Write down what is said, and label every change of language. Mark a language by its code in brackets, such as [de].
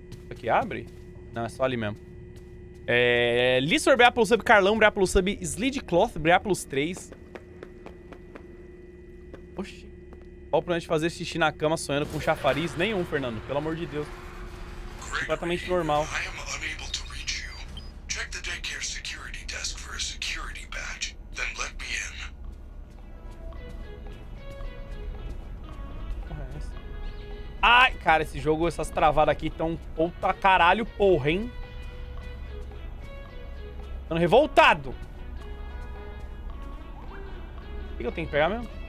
[pt] Aqui abre? Não, é só ali mesmo. É... Lissor Bré pelo sub. Carlão Bré pelo sub. Slide Cloth Bré pelos 3. Oxi, qual o problema de fazer xixi na cama sonhando com chafariz? Nenhum, Fernando, pelo amor de Deus. Gregory, completamente normal. [en] I am unable to reach you. Check the daycare security desk for a security badge, then let me in. [pt] Ai, cara, esse jogo, essas travadas aqui estão puta caralho, porra, hein? Tô revoltado! O que eu tenho que pegar mesmo?